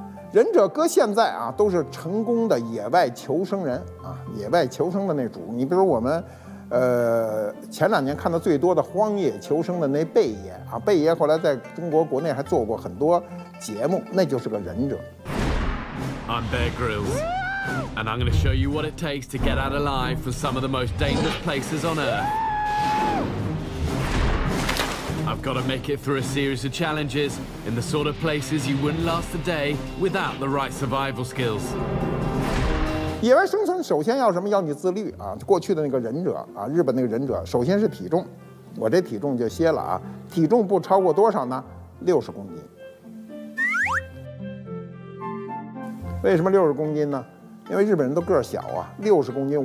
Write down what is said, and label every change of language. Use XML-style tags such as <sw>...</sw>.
<zh>忍者搁现在啊，都是成功的野外求生人啊，野外求生的那主。你比如我们，前两年看到最多的《荒野求生》的那贝爷啊，贝爷后来在中国国内还做过很多节目，那就是个忍者。</zh> <en>I'm Bear Grylls, and I'm going to show you what it takes to get out alive from some of the most dangerous places on Earth. I've got to make it through a series of challenges in the sort of places you wouldn't last a day without the right survival skills.</en> <zh>野外生存首先要什么？要你自律啊！过去的那个忍者啊，日本那个忍者，首先是体重。我这体重就歇了啊，体重不超过多少呢？60公斤。为什么60公斤呢？因为日本人都个儿小啊，60公斤。</zh>